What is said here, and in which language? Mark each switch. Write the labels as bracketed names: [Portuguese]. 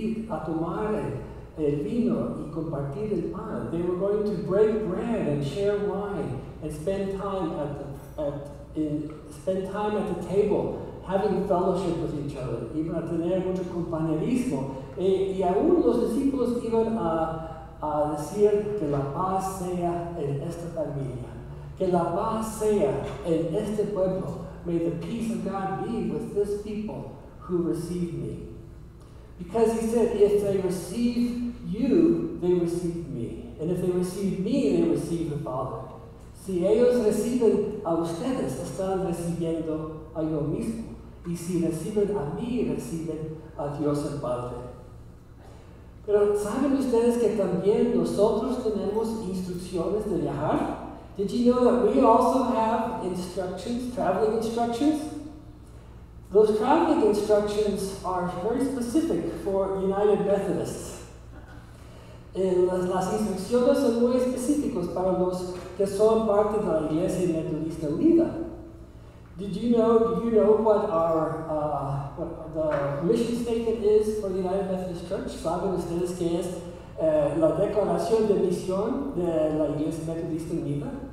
[Spanish] A tomar el vino y compartir el pan. [English] They were going to break bread and share wine and spend time at the table having fellowship with each other. [Spanish] Iban a tener mucho compañerismo. Y aún los discípulos iban a decir que la paz sea en esta familia. Que la paz sea en este pueblo. [English] May the peace of God be with this people who receive me. Because he said, if they receive you, they receive me. And if they receive me, they receive the Father. [Spanish] Si ellos reciben a ustedes, están recibiendo a yo mismo. Y si reciben a mí, reciben a Dios el Padre. Pero ¿saben ustedes que también nosotros tenemos instrucciones de viajar? [English] Did you know that we also have instructions, traveling instructions? Those traveling instructions are very specific for United Methodists. [Spanish] Las instrucciones son muy específicas para los que son parte de la Iglesia Metodista Unida. [English] Do you know what what the mission statement is for the United Methodist Church? [Spanish] ¿Saben ustedes qué es la declaración de misión de la Iglesia Metodista Unida?